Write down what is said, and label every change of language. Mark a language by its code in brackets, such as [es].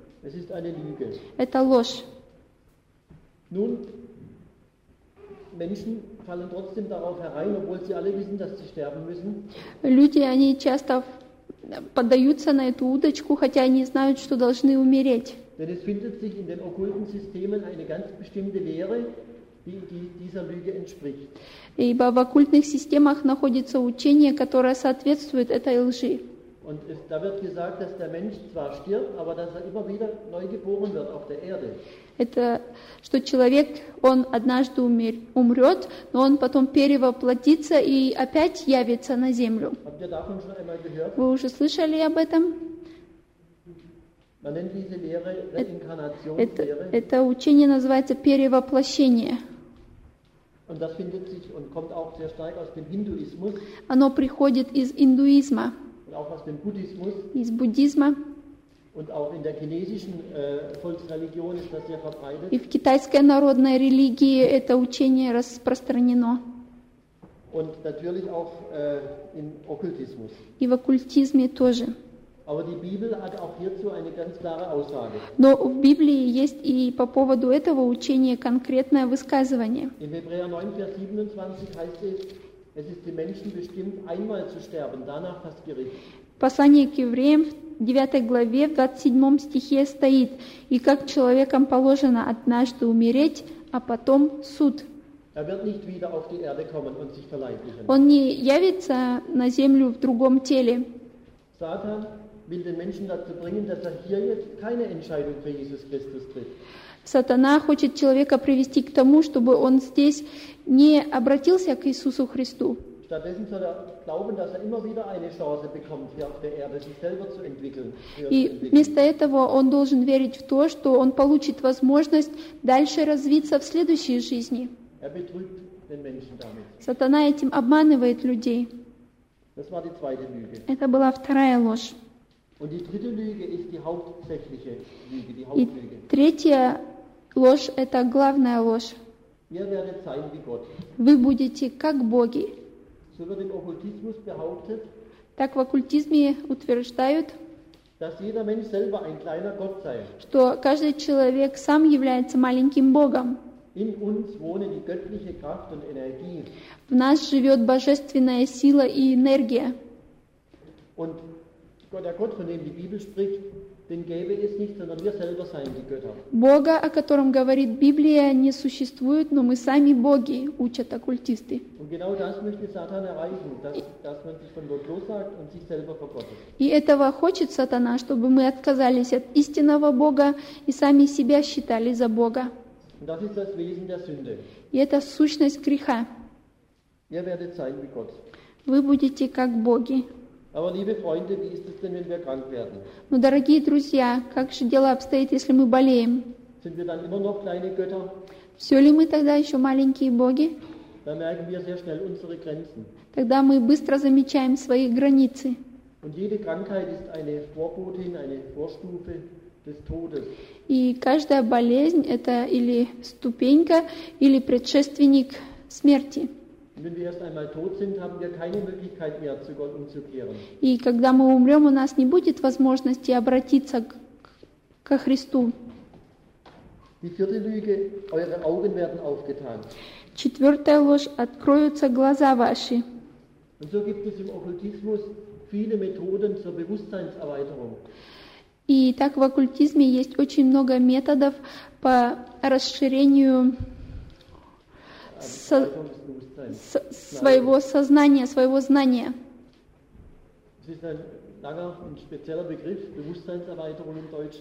[de] Es ist eine Lüge. [ru] Это ложь. [de] Nun, Menschen fallen trotzdem darauf herein, obwohl sie alle wissen, dass sie sterben müssen. [ru] Люди, они часто поддаются на эту удочку, хотя они знают, что должны умереть. [de] Denn es findet sich in den okkulten Systemen eine ganz bestimmte Lehre, die dieser Lüge entspricht. [ru] Ибо в оккультных системах находится учение, которое соответствует этой лжи. [de] Und es, da wird gesagt, dass der Mensch zwar stirbt, aber dass er immer wieder neu geboren wird auf der Erde. [ru] Это что человек, он однажды умрет, но он потом перевоплотится и опять явится на землю. [de] Habt ihr davon schon einmal gehört? [ru] Вы уже слышали об этом? [de] Man nennt diese Lehre Reinkarnationslehre. [ru] Это учение называется перевоплощение. [de] Und das findet sich und kommt auch sehr stark aus dem Hinduismus. [ru] Оно приходит из индуизма. [de] Und auch aus dem Buddhismus. [ru] Из буддизма. [de] Und auch in der chinesischen Volksreligion ist das sehr verbreitet. [ru] И в китайской народной религии это учение распространено. [de] Und natürlich auch im Okkultismus. [ru] И в оккультизме тоже. [de] Aber die Bibel hat auch hierzu eine ganz klare Aussage. [ru] Но в Библии есть и по поводу этого учения конкретное высказывание. [de] In Hebräer 9, Vers 27 heißt es, es ist den Menschen bestimmt, einmal zu sterben, danach das Gericht. [ru] Послание к евреям в 9 главе, в 27 стихе стоит, и как человекам положено однажды умереть, а потом суд. [de] Er wird nicht wieder auf die Erde kommen und sich verleiblichen. [ru] Он не явится на землю в другом теле. [de] Satan will den Menschen dazu bringen, dass er hier jetzt keine Entscheidung für Jesus Christus trifft. [ru] Сатана хочет человека привести к тому, чтобы он здесь не обратился к Иисусу Христу. [de] Stattdessen soll er glauben, dass er immer wieder eine Chance bekommt, hier auf der Erde sich selber zu entwickeln. [ru] И вместо этого он должен верить в то, что он получит возможность дальше развиться в следующей жизни. [de] Er betrügt den Menschen damit. [ru] Сатана этим обманывает людей. [de] Das war die zweite Lüge. [ru] Это была вторая ложь. [de] Und die dritte Lüge ist die hauptsächliche Lüge, die Hauptlüge. [ru] И третья ложь – это главная ложь. [de] Ihr werdet sein wie Gott. [ru] Вы будете как боги. [de] So wird im Okkultismus behauptet, [ru] так в оккультизме утверждают, [de] dass jeder Mensch selber ein kleiner Gott sei. [ru] Что каждый человек сам является маленьким богом. [de] In uns wohnen die göttliche Kraft und Energie. [ru] В нас живет божественная сила и энергия. [de] Und der Gott, von dem die Bibel spricht, den gäbe es nicht, sondern wir selber seien die Götter. [ru] Бога, о котором говорит Библия, не существует, но мы сами боги, учат оккультисты. [de] Und genau das möchte Satan erreichen, dass man sich von Gott lossagt und sich selber vergottet. [ru] И этого хочет Сатана, чтобы мы отказались от истинного Бога и сами себя считали за Бога. [de] Und das ist das Wesen der Sünde. [ru] И это сущность греха. [de] Ihr werdet sein wie Gott. [ru] Вы будете как боги. [de] Aber liebe Freunde, wie ist es denn, wenn wir krank werden? [ru] Но, дорогие друзья, как же дело обстоит, если мы болеем? [de] Sind wir dann immer noch kleine Götter? [ru] Все ли мы тогда еще маленькие боги? [de] Dann merken wir sehr schnell unsere Grenzen. [ru] Тогда мы быстро замечаем свои границы. [de] Und jede Krankheit ist eine Vorbotin, eine Vorstufe des Todes. [ru] И каждая болезнь – это или ступенька, или предшественник смерти. [de] Wenn wir erst einmal tot sind, haben wir keine Möglichkeit mehr, zu Gott umzukehren. [ru] И когда мы умрем, у нас не будет возможности обратиться ко Христу. [de] Die vierte Lüge, eure Augen werden aufgetan. [ru] Четвертая ложь, откроются глаза ваши. [de] Und so gibt es im Okkultismus viele Methoden zur Bewusstseinserweiterung. [ru] И так в оккультизме есть очень много методов по расширению своего сознания, своего знания. [de] Es ist ein langer und spezieller Begriff, Bewusstseinserweiterung im Deutschen.